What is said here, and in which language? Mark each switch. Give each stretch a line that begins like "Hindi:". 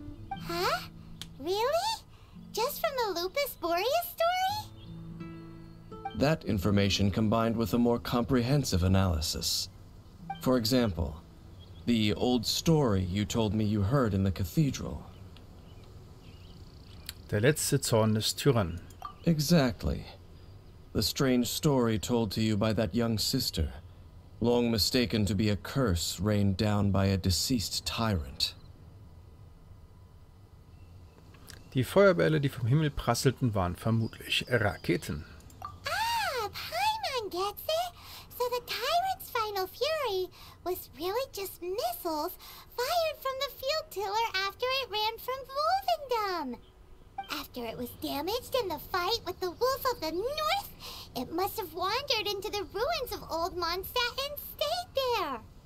English: Huh? Really? Just from the Lupus Boreas story? That information combined with a more comprehensive analysis. For example, the old story you told me you heard in the cathedral.
German: Der letzte Zorn des Tyrannen.
English: Exactly. The strange story told to you by that young sister, long mistaken to be a curse rained down by a deceased tyrant.
German: Die Feuerbälle, die vom Himmel prasselten, waren vermutlich Raketen.
English: Ah, Paimon gets it. So the tyrant's final fury was really just missiles fired from the field tiller after it ran from Wolvendom. After it was damaged in the fight with the Wolf of the North, it must have wandered into the ruins of Old Mondstadt and stayed there.